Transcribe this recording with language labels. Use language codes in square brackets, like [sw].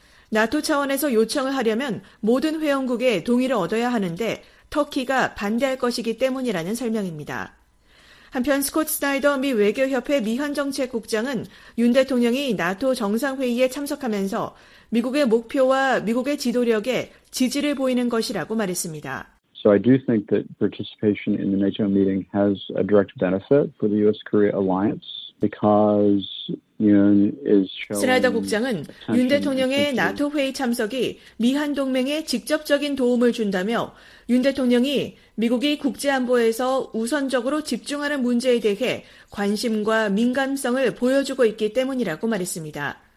[ko] 나토 차원에서 요청을 하려면 모든 회원국의 동의를 얻어야 하는데 터키가 반대할 것이기 때문이라는 설명입니다. 한편 스콧 스나이더 미 외교협회 미한정책국장은 윤 대통령이 나토 정상회의에 참석하면서 미국의 목표와 미국의 지도력에 지지를 보이는 것이라고 말했습니다. [en] So I do think that participation in the NATO meeting has a direct benefit for the U.S.-Korea alliance because Yun is showing. [ko] 스나이더 국장은 윤 대통령의 나토 회의 참석이 미한 동맹에 직접적인 도움을 준다며 윤 대통령이 미국이 국제 안보에서 우선적으로 집중하는 문제에 대해 관심과 민감성을 보여주고 있기 때문이라고 말했습니다.